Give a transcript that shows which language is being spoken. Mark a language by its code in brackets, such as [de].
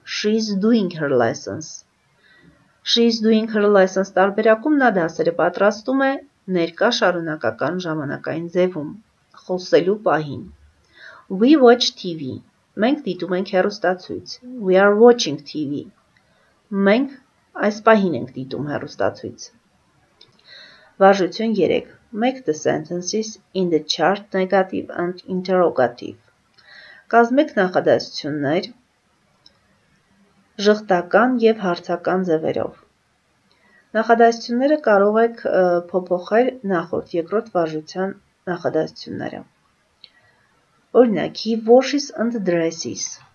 [en] She is doing her lessons. She is doing her lessons [hy] տարբերակում նա դասերը պատրաստում է ներկա շարունակական ժամանակային ձևում, խոսելու պահին. [en] We watch TV. [hy] Մենք դիտում ենք հեռուստացույց. [en] We are watching TV. [hy] Մենք այս պահին ենք դիտում հեռուստացույց. Վարժություն 3. [en] Make the sentences in the chart negative and interrogative. [hy] Կազմեք նախադասություններ ժխտական և հարցական ձևերով. Նախադասությունները կարող եք փոփոխել նախորդ երկրորդ վարժության նախադասությունները։ Օրինակ, [en] he washes and dresses.